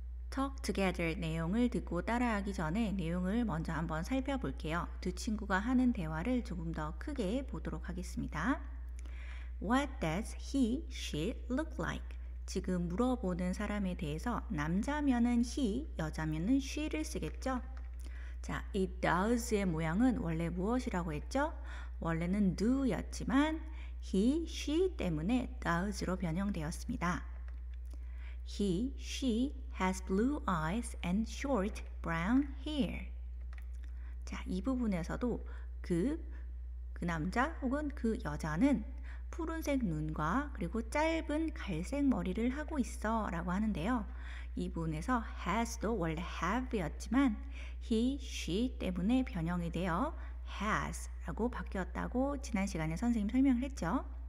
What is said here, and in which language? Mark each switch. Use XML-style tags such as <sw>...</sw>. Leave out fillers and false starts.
<ko>Talk Together 내용을 듣고 따라하기 전에 내용을 먼저 한번 살펴볼게요. 두 친구가 하는 대화를 조금 더 크게 보도록 하겠습니다.</ko> <en>What does he, she look like?</en> <ko>지금 물어보는 사람에 대해서 남자면은 he, 여자면은 she를 쓰겠죠? 자, it does의 모양은 원래 무엇이라고 했죠? 원래는 do였지만 he, she 때문에 does로 변형되었습니다.</ko> <en>He, she has blue eyes and short brown hair.</en> <ko>자, 이 부분에서도 그 남자 혹은 그 여자는 푸른색 눈과 그리고 짧은 갈색 머리를 하고 있어 라고 하는데요. 이 부분에서 has도 원래 have였지만 he, she 때문에 변형이 되어 has라고 바뀌었다고 지난 시간에 선생님 설명을 했죠.</ko>